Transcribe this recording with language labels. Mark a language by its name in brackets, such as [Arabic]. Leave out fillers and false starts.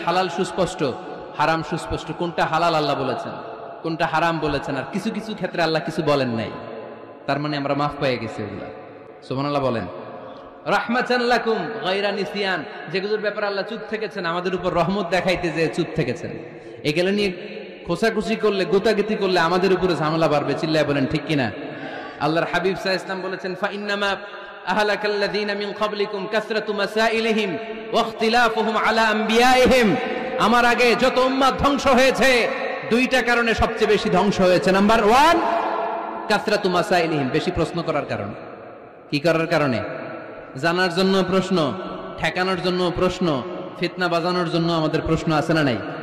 [Bangla] হালাল সুস্পষ্ট, হারাম সুস্পষ্ট, কোনটা হালাল আল্লাহ বলেছেন, কোনটা হারাম বলেছেন, আর কিছু কিছু ক্ষেত্রে আল্লাহ কিছু বলেন নাই, তার মানে আমরা মাফ পেয়ে গেছি ওগুলা। সুবহানাল্লাহ, বলেন রাহমাতান লাকুম গায়রা নিসিয়ান, যেগুলোর ব্যাপারে আল্লাহ চুপ থেকেছেন, আমাদের উপর রহমত দেখাইতে যে চুপ থেকেছেন, এগুলো নিয়ে খোসাখুসি করলে, গোতাগতি করলে আমাদের উপরে ঝামেলা বাড়বে, চিল্লায় বলেন ঠিক কিনা? আল্লাহর হাবিব সাল্লাল্লাহু আলাইহি ওয়াসাল্লাম বলেছেন, ফা ইন্নামা [Arabic] أهلك الذين من قبلكم كثرة مسائلهم واختلافهم على أنبيائهم. [Bangla] আমার আগে যত উম্মত ধ্বংস হয়েছে দুইটা কারণে সবচেয়ে বেশি ধ্বংস হয়েছে। নাম্বার ওয়ান, কাসরাতু মাসাইলহিম, বেশি প্রশ্ন করার কারণে। কি করার কারণে? জানার জন্য প্রশ্ন, ঠেকানোর জন্য প্রশ্ন, ফিতনা বাজানোর জন্য আমাদের প্রশ্ন আছে না নাই?